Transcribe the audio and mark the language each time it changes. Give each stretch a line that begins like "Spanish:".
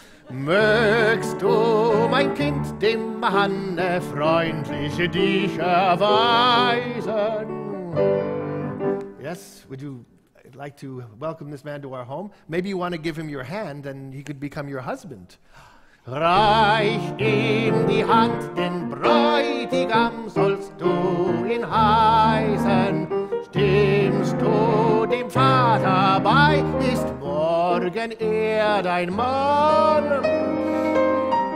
German: Mögst du, mein Kind, dem Manne freundliche dich erweisen?
English: Yes, would you like to welcome this man to our home? Maybe you want to give him your hand and he could become your husband.
German: Reich ihm die Hand, den Bräutigam sollst du ihn heißen. Stimmst du dem Vater bei, ist morgen dein Mann.